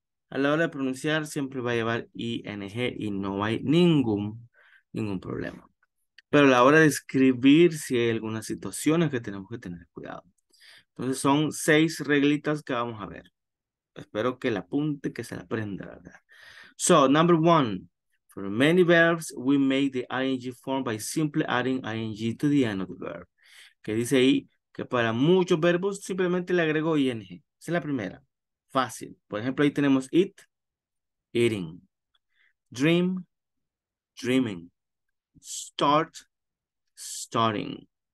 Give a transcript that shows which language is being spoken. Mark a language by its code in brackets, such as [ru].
[es] A la hora de pronunciar siempre va a llevar ING y no hay ningún problema. Pero a la hora de escribir, si hay algunas situaciones que tenemos que tener cuidado. Entonces son 6 reglitas que vamos a ver. Espero que la apunte, que se la aprenda, ¿verdad? [en] So, number one. For many verbs, we make the ING form by simply adding ING to the end of the verb. [es] Que dice ahí que para muchos verbos simplemente le agrego ING. Esa es la primera. Fácil. Por ejemplo, ahí tenemos eat, eating. [en] Dream, dreaming. Start, starting.